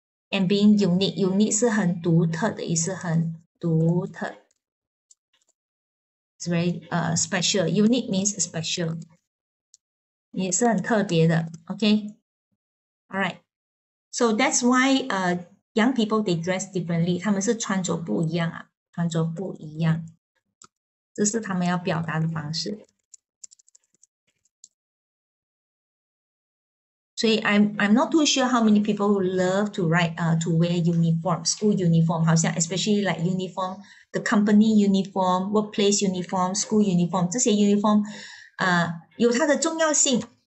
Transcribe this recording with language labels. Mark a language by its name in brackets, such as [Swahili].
[English] And being unique, [Chinese] unique 是很独特的意思, 很独特. [English] It's very special. Unique means special. [Chinese] 也是很特别的, [English] okay? Alright. So that's why young people, they dress differently. [Chinese] 他们是穿着不一样啊, 穿着不一样。这是他们要表达的方式。 [English] 所以 I'm not too sure how many people who love to write, to wear uniform, school uniform, 好像 especially like uniform, the company uniform, workplace uniform, school uniform, 这些 uniform, [Chinese] 有它的重要性。